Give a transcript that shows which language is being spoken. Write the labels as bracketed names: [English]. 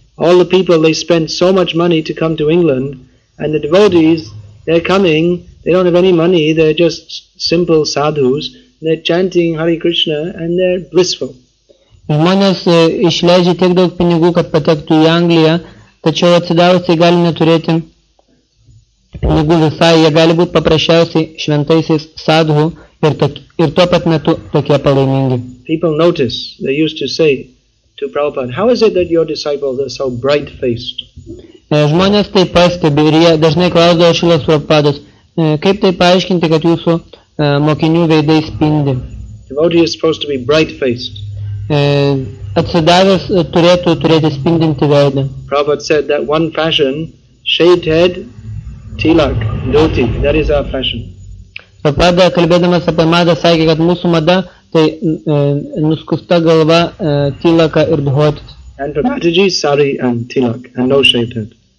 [English] All the people, they spend so much money to come to England, and the devotees, they're coming, they don't have any money, they're just simple sadhus. They're chanting Hare Krishna and they're blissful. [Lithuanian] Žmonės išleidžia tiek daug pinigų, kad patektų į Angliją, tačiau atsidavusiai gali neturėti pinigų visai, jie gali būti paprasčiausiai šventaisiais sadhu ir tuo pat metu tokie palaimingi. [English] People notice, they used to say to Prabhupada, how is it that your disciples are so bright-faced? [Lithuanian] Žmonės tai pastebi ir jie dažnai klausdavo Šilas Prabhupados, kaip tai paaiškinti, kad jūsų mokinių veidai spindi. [English] Devotee is supposed to be bright-faced. [Lithuanian] Atsidavęs turėtų turėti spindinti veidą. [English] Prabhupada said that one fashion, shaved head, tilak, dhoti, that is our fashion. [Lithuanian] Prabhupada, kalbėdamas apie madą, sakė, kad mūsų mada, tai nuskusta galva, tilaka ir dhoti. [English] And for Mataji, sari and tilak, and no shaved head.